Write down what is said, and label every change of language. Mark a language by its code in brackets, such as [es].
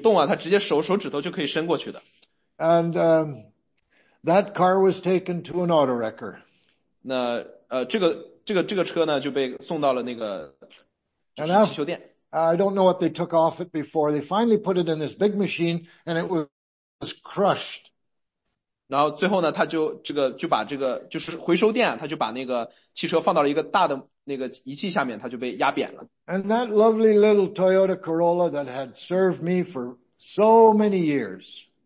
[zh] 那有的地方它就是有洞啊,它直接手指头就可以伸过去的。 [en] And that car was taken to an auto wrecker. [zh] 那这个车呢就被送到了那个修店。 [en] I don't know what they took off it before. They finally put it in this big machine and it was crushed. [zh] 然后最后呢,它就把这个,就是回收店,它就把那个汽车放到了一个大的。那个仪器下面,它就被压扁了。 [en] And that lovely little Toyota Corolla that had served me for so many years.